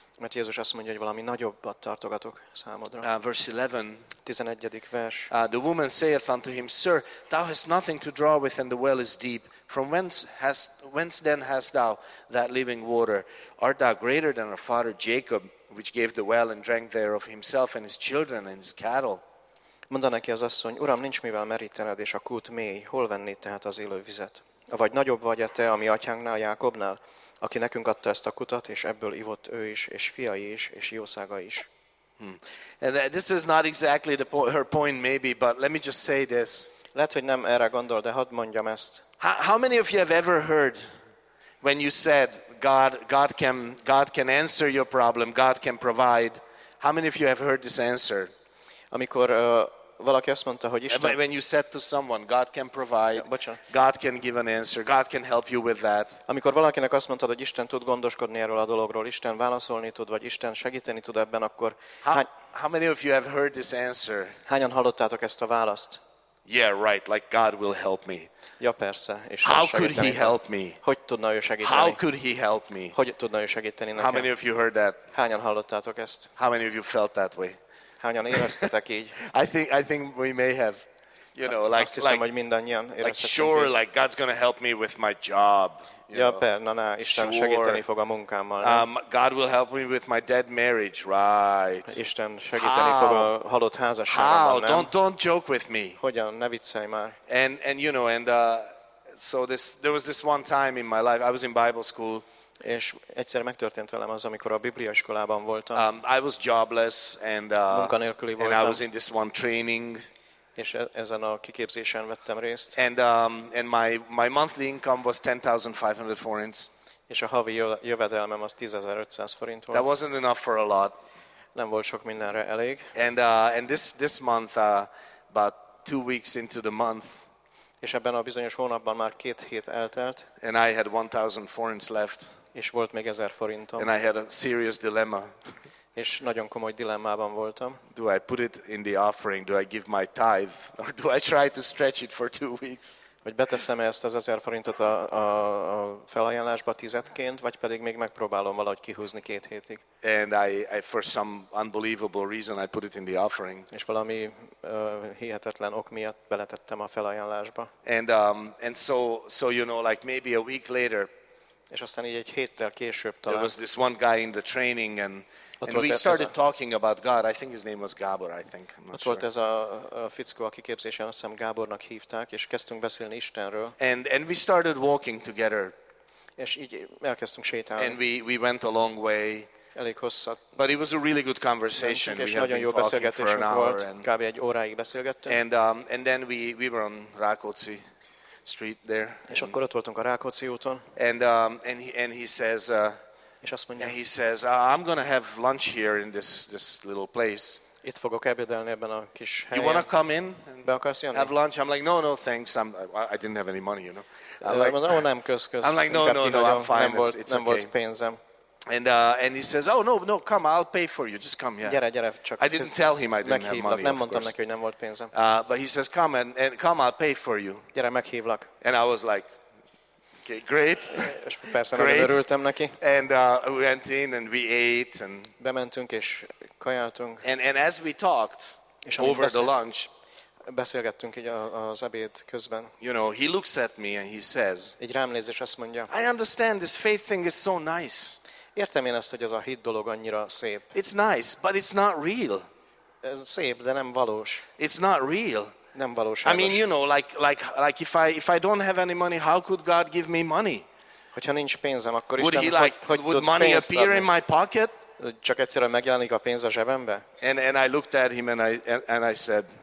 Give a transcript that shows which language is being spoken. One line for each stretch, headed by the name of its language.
Hungarian: Mert Jézus azt mondja, hogy valami nagyobbat tartogatok számodra.
English: Verse 11.
Hungarian: 11. vers.
English: The woman saith unto him, Sir, thou hast nothing to draw with, and the well is deep. From whence then hast thou that living water? Art thou greater than our father Jacob, which gave the well and drank thereof himself and his children and his cattle?
Hungarian: Mondta neki az asszony, Uram, nincs mivel merítened, és a kút mély, hol vennéd tehát az élő vizet? Vagy nagyobb vagy-e te, ami atyánknál, Jákobnál, aki nekünk adta ezt a kutat, és ebből ivott ő is, és fiai is, és jószága is?
English: And this is not exactly her point, maybe, but let me just say this.
Hungarian: Lehet, hogy nem erre gondol, de hadd mondjam ezt.
English: How many of you have ever heard when you said God can answer your problem, God can provide? How many of you have heard this answer?
Hungarian: Amikor valaki azt mondta, hogy Isten.
English: When you said to someone, God can provide, God can give an answer, God can help you with that.
Hungarian: Amikor valakinek azt mondtad, hogy Isten tud gondoskodni erről a dologról, Isten válaszolni tud, vagy Isten segíteni tud ebben, akkor
English: How many of you have heard this answer?
Hungarian: Hányan hallottátok ezt a választ?
English: Yeah, right, like God will help me.
Hungarian: Ja, persze, és
English: how could he help me?
Hungarian: Hogy tudna ő segíteni?
English: How could he help me?
Hungarian: Hogy tudna ő segíteni nekem?
English: How many of you heard that?
Hungarian: Hányan hallottátok ezt?
English: How many of you felt that way?
Hungarian: Hányan éreztetek így?
English: I think we may have, you know, like,
Hungarian: azt hiszem,
English: like,
Hungarian: hogy mindannyian éreztetek
English: like sure,
Hungarian: így.
English: Like God's gonna help me with my job.
Hungarian: Ja, na, Isten
English: sure.
Hungarian: Segíteni fog a munkámmal.
English: God will help me with my dead marriage, right?
Hungarian: Isten segíteni
English: How?
Hungarian: Fog a halott házasságban.
English: How?
Hungarian: Nem?
English: Don't joke with me.
Hungarian: Hogyan? Ne viccelj már.
English: And you know, and so this there was this one time in my life I was in Bible school.
Hungarian: És egyszer megtörtént velem az, amikor a Biblia iskolában voltam.
English: I was jobless and
Hungarian: munkanélküli voltam.
English: And I was in this one training.
Hungarian: És ezen a kiképzésen vettem részt.
English: And my monthly income was 10,500 forints.
Hungarian: És a havi jövedelmem az 10.500 forint volt.
English: That wasn't enough for a lot.
Hungarian: Nem volt sok mindenre elég.
English: And this month, about 2 weeks into the month.
Hungarian: És ebben a bizonyos hónapban már 2 hét eltelt.
English: And I had 1,000 forints left.
Hungarian: És volt még 1,000 forintom.
English: And I had a serious dilemma.
Hungarian: És nagyon komoly dilemmában voltam.
English: Do I put it in the offering? Do I give my tithe? Or do I try to stretch it for 2 weeks?
Hungarian: Vagy beteszem ezt az 1,000 forintot a felajánlásba tizedként, vagy pedig még megpróbálom valahogy kihúzni 2 hétig.
English: And I for some unbelievable reason I put it in the offering.
Hungarian: És valami hihetetlen ok miatt beletettem a felajánlásba.
English: And so you know, like maybe a week later.
Hungarian: És aztán így egy héttel később talán.
English: There was this one guy in the training and we started talking about God. I think his name was Gábor, I think. I'm not
Hungarian: ott
English: sure.
Hungarian: Volt ez a fickó, aki képzésen, azt hiszem, Gábornak hívták, és kezdtünk beszélni Istenről.
English: And we started walking together.
Hungarian: És így elkezdtünk sétálni.
English: And we went a long way.
Hungarian: Elég hosszat.
English: But it was a really good conversation.
Hungarian: És nagyon jó beszélgetésünk volt. Kb. Egy óráig beszélgettünk.
English: And then we were on Rákóczi Street there.
Hungarian: És akkor ott voltunk a Rákóczi úton.
English: And he says.
Hungarian: És azt mondja,
English: and he says, I'm gonna have lunch here in this little place.
Hungarian: Itt fogok ebédelni ebben a kis helyen.
English: You wanna come in?
Hungarian: Be akarsz jönni?
English: Have lunch? I'm like, no, thanks. I didn't have any money, you know. I'm like, no, I'm fine. It's
Hungarian: okay. Nem volt pénzem.
English: And he says, oh no, come, I'll pay for you. Just come here.
Hungarian: Gyere, csak.
English: I didn't tell him I didn't have money.
Hungarian: Nem mondtam neki, hogy nem volt pénzem.
English: But he says, come and come, I'll pay for you.
Hungarian: Gyere, meghívlak.
English: And I was like. Okay, great.
Hungarian: Persze, great. Nagyon örültem neki.
English: And we went in and we ate and.
Hungarian: Bementünk és kajáltunk.
English: And as we talked over the lunch.
Hungarian: Beszélgettünk így az ebéd közben.
English: You know, he looks at me and he says.
Hungarian: Így rám néz és azt mondja.
English: I understand this faith thing is so nice.
Hungarian: Értem én azt, hogy ez a hit dolog annyira szép.
English: It's nice, but it's not real.
Hungarian: Szép, de nem valós.
English: It's not real.
Hungarian: Nem valós.
English: I mean, you know, like if I don't have any money, how could God give me money?
Hungarian: Hogyha nincs pénzem, akkor
English: would he like,
Hungarian: hogy
English: would money appear in my pocket?
Hungarian: Csak egyszerűen megjelenik a pénz a zsebembe?
English: And I looked at him and I said.